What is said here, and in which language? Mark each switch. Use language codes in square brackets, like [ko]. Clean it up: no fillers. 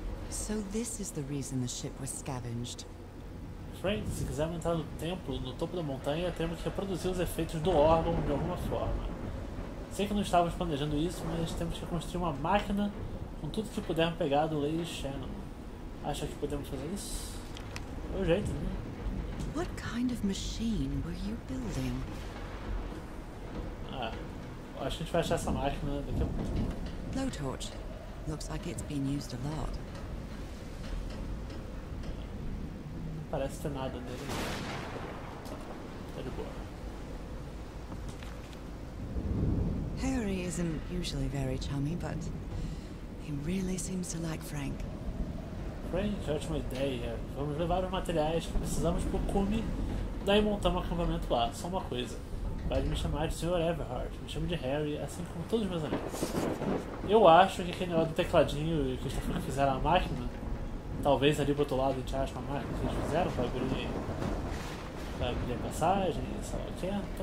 [en] So this is the reason the ship was scavenged. [pt] Frank, se quisermos entrar no templo, no topo da montanha, temos que reproduzir os efeitos do órgão de alguma forma. Sei que não estávamos planejando isso, mas temos que construir uma máquina com tudo que pudermos pegar do Lady Shannon. Acha que podemos fazer isso? É o jeito, né? [en] What kind of machine were you building? [pt] Ah, acho que a gente vai achar essa máquina daqui a pouco. [en] Blowtorch. Looks like it's been used a lot. [pt] Parece ter nada nele. Tá de boa. [en] Harry isn't usually very chummy, but he really seems to like Frank. [pt] Frank, ótima ideia. Vamos levar os materiais que precisamos pro cume, daí montar um acampamento lá. Só uma coisa. Pode me chamar de Sr. Everhart. Me chamo de Harry, assim como todos os meus amigos. Eu acho que aquele negócio do tecladinho e que eles fizeram a máquina. Talvez ali pro outro lado a gente ache uma máquina que eles fizeram pra abrir. Pra abrir a passagem, sei lá o que.